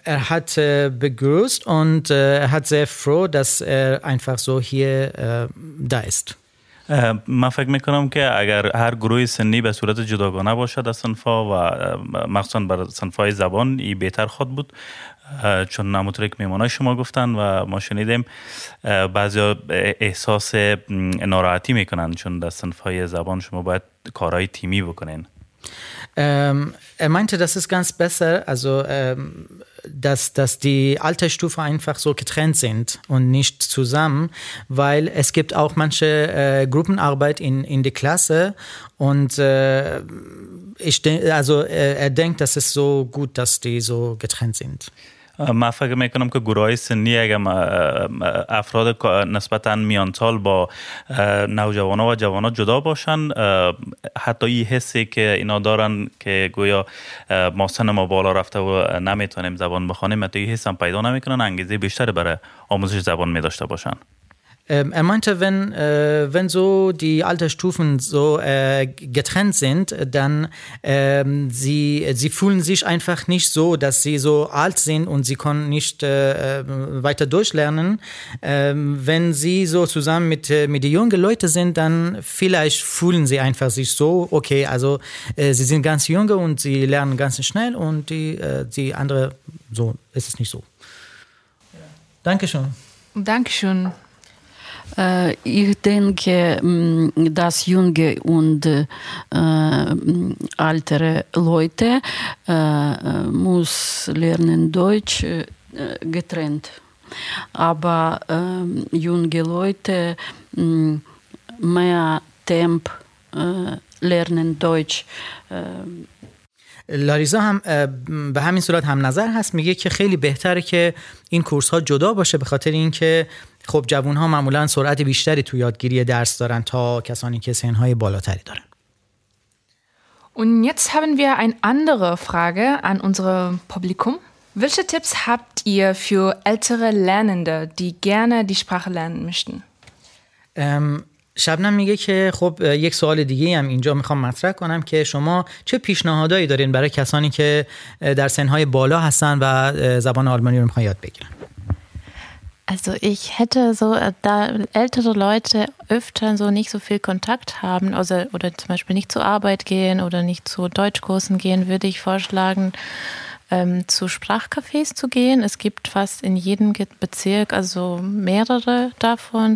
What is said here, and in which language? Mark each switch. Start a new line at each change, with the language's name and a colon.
German: Hat begrüßt und hat sehr froh, dass einfach so hier da ist.
Persian: من فکر میکنم که اگر هر گروه سنی به صورت جداگانه باشد از صنفا و مخصوصا بر صنفای زبان، ای بهتر خود بود، چون نموتره که میمانای شما گفتن و ما شنیدیم بعضی احساس ناراحتی میکنن چون در صنفای زبان شما باید کارهای تیمی بکنین.
German: Er meinte, das ist ganz besser, also dass die Altersstufe einfach so getrennt sind und nicht zusammen, weil es gibt auch manche Gruppenarbeit in der Klasse und er denkt, dass es so gut, dass die so getrennt sind.
Persian: من فکر میکنم که گروه های سنی اگر افراد نسبتاً میانسال با نوجوانا و جوانا جدا باشن حتی این حسی که اینا دارن که گویا ما سن ما بالا رفته و نمیتونیم زبان بخونیم حتی این حس هم پیدا نمیکنن انگیزه بیشتر برای آموزش زبان میداشته باشن.
German: Er meinte, wenn so die Altersstufen so getrennt sind, dann sie fühlen sich einfach nicht so, dass sie so alt sind und sie können nicht weiter durchlernen. Wenn sie so zusammen mit den jungen Leuten sind, dann vielleicht fühlen sie einfach sich so, okay, also sie sind ganz junge und sie lernen ganz schnell und die andere, so ist es nicht so. Dankeschön. Dankeschön. Ich denke, dass junge und ältere Leute muss lernen Deutsch getrennt. Aber junge Leute mehr Temp lernen Deutsch.
Persian: لاریزا هم به همین صورت هم نظر هست، میگه که خیلی بهتره که این کورس ها جدا باشه به خاطر اینکه خب جوان ها معمولا سرعت بیشتری تو یادگیری درس دارن تا کسانی که سن های بالاتری دارن.
German: Und jetzt haben wir eine andere Frage an unser Publikum. Welche Tipps habt ihr für ältere Lernende, die gerne die Sprache lernen möchten?
Persian: شبنم میگه که خب یک سوال دیگه هم اینجا میخوام مطرح کنم که شما چه پیشنهادایی دارین برای کسانی که در سنهای بالا هستن و زبان آلمانی رو میخوان یاد بگیرن؟
German: Also ich hätte so, da ältere Leute öfter so nicht so viel Kontakt haben oder zum Beispiel nicht zur Arbeit gehen oder nicht zu Deutschkursen gehen, würde ich vorschlagen, zu Sprachcafés zu gehen. Es gibt fast in jedem Bezirk also mehrere davon.